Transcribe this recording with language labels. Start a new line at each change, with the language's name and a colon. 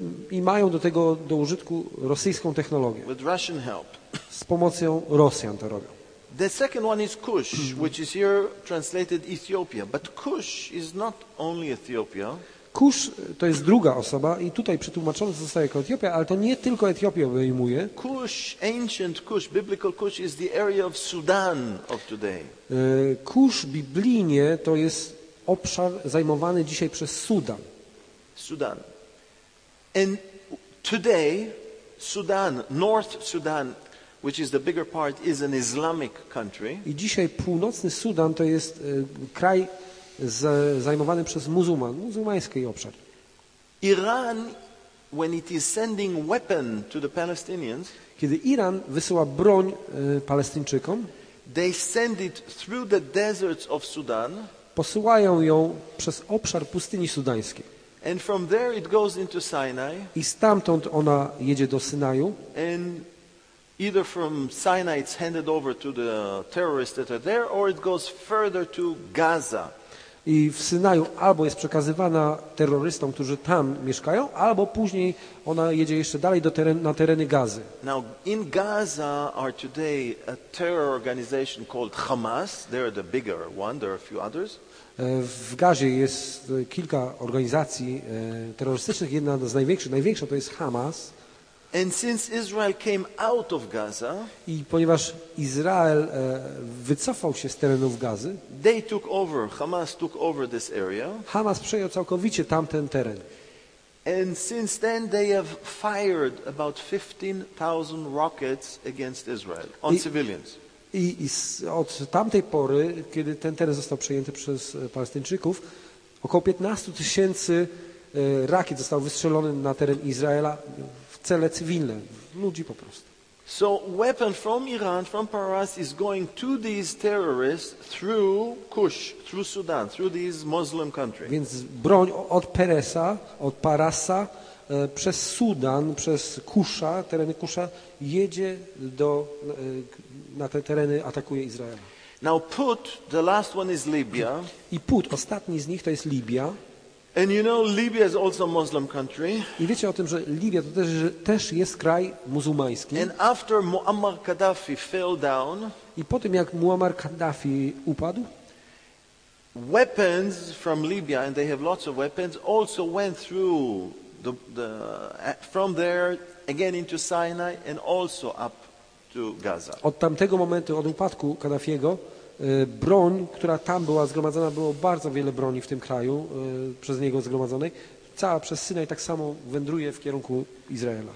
Polish: I mają do tego do użytku rosyjską technologię.
English: With Russian help.
Polish: Z pomocą Rosjan to robią.
English: The second one is Kush, which is here translated Ethiopia, but Kush is not only Ethiopia.
Polish: Kusz to jest druga osoba i tutaj przetłumaczone zostaje jako Etiopia, ale to nie tylko Etiopię obejmuje.
English: Kusz, ancient Kusz, biblical Kusz is the area of Sudan of today.
Polish: Kusz biblijnie to jest obszar zajmowany dzisiaj przez Sudan.
English: Sudan. And today Sudan, North Sudan, which is the bigger part, is an Islamic country.
Polish: I dzisiaj północny Sudan to jest kraj zajmowany przez muzułmański obszar.
English: Iran, when it is sending weapon to the Palestinians,
Polish: kiedy Iran wysyła broń Palestyńczykom,
English: they send it through the deserts of Sudan,
Polish: posyłają ją przez obszar pustyni sudańskiej.
English: And from there it goes into Sinai,
Polish: i stamtąd ona jedzie do Synaju.
English: And either from Sinai it's handed over to the terrorists that are there, or it goes further to Gaza.
Polish: I w Synaju albo jest przekazywana terrorystom, którzy tam mieszkają, albo później ona jedzie jeszcze dalej do na tereny Gazy.
English: Now in Gaza are today a terror organization called Hamas. They're the bigger one. There are a few others.
Polish: W Gazie jest kilka organizacji terrorystycznych. Jedna z największych, największa to jest Hamas.
English: And since Israel came out of Gaza,
Polish: i ponieważ Izrael wycofał się z terenów Gazy,
English: they took over, Hamas took over this area.
Polish: Hamas przejął całkowicie tamten teren.
English: And since then they have fired about 15,000 rockets against Israel on civilians.
Polish: I od tamtej pory, kiedy ten teren został przejęty przez Palestyńczyków, około 15,000 rakiet zostało wystrzelone na teren Izraela. Cele cywilne, ludzi po prostu.
English: So weapon from Iran, from Paras is going to these terrorists through Kush, through Sudan, through these Muslim countries.
Polish: Więc broń od Peresa, od Parasa, przez Sudan, przez Kusza, tereny Kusza, jedzie do na te tereny, atakuje Izrael.
English: Now Put, the last one is Libya.
Polish: I Put, ostatni z nich to jest Libia.
English: And you know Libya is also a Muslim country.
Polish: I wiecie o tym, że Libia to też jest kraj muzułmański.
English: And after Muammar Gaddafi fell down,
Polish: i po tym jak Muammar Gaddafi upadł,
English: weapons from Libya, and they have lots of weapons, also went through the from there again into Sinai and also up to Gaza.
Polish: Od tamtego momentu, od upadku Gaddafiego, broń, która tam była zgromadzona, było bardzo wiele broni w tym kraju przez niego zgromadzonej, cała przez Synaj tak samo wędruje w kierunku Izraela.